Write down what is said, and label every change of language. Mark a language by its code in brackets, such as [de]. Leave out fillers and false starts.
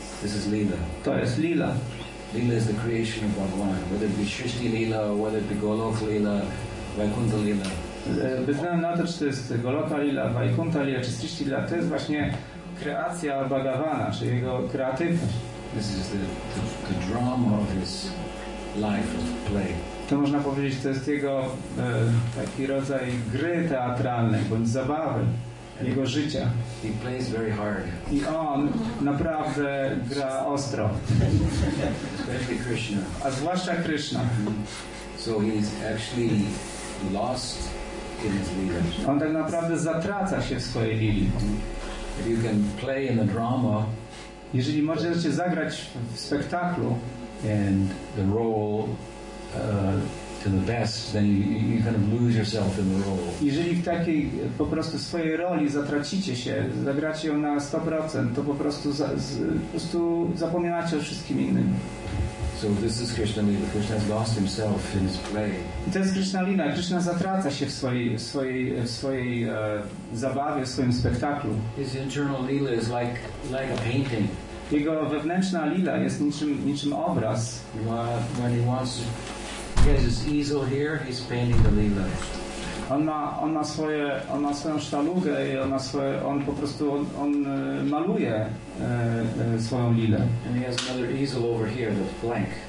[en] This is Lila. [pl] To jest Lila. [en] Lila is the creation of Bhagavan. Whether it be Srishti Lila, whether it be Golok Lila, Vaikuntha Lila. [pl] Bez względu na to, czy to jest Goloka Lila, Vaikuntha Lila, czy Srishti Lila, to jest właśnie kreacja Bhagavana, czy jego kreatywność. [en] This is the drama of his life, of play. [pl] To można powiedzieć, to jest jego taki rodzaj gry teatralnej, bądź zabawy, [en] and [pl] jego życia. [en] He plays very hard. [pl] I on naprawdę gra ostro. [en] Especially Krishna. [pl] A zwłaszcza Krishna. [en] So he's actually lost. [pl] On tak naprawdę zatraca się w swojej lili. [en] If you can play in the drama, [pl] jeżeli możecie zagrać w spektaklu [en] and the role to the best, then you kind of lose yourself in the role. [pl] Jeżeli w takiej po prostu swojej roli zatracicie się, zagracie ją na 100%, to po prostu zapominacie o wszystkim innym. [en] So this is Krishna Lila. Krishna has lost himself in his play. [pl] To jest Krishna Lila. Krishna zatraca się w swojej zabawie, w swoim spektaklu. [en] His internal lila is like a painting. [pl] Jego wewnętrzna lila jest niczym obraz. [en] When he wants, he has his easel here. He's painting the lila. [pl] On ma swoją sztalugę i on po prostu maluje swoją lilę. [en] And he has another easel over here that's blank.